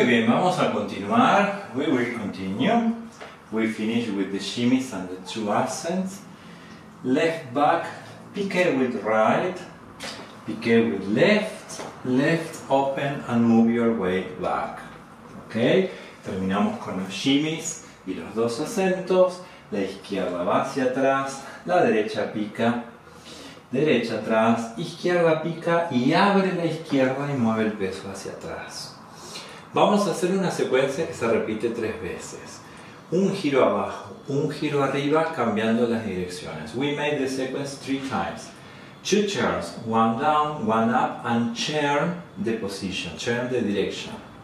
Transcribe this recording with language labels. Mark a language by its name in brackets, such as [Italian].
[English] continue. We finish with the shimmies and the two accents. Left back, pique with right, pique with left, left open and move your weight back. Okay? [Spanish] Terminamos con los shimmies y los dos acentos. La izquierda va hacia atrás, la derecha pica, derecha atrás, izquierda pica y abre la izquierda y mueve el peso hacia atrás. Vamos a hacer una secuencia que se repite tres veces. Un giro abajo, un giro arriba, cambiando las direcciones. [English] We made the sequence three times. Two turns, one down, one up, and turn the position, turn the direction.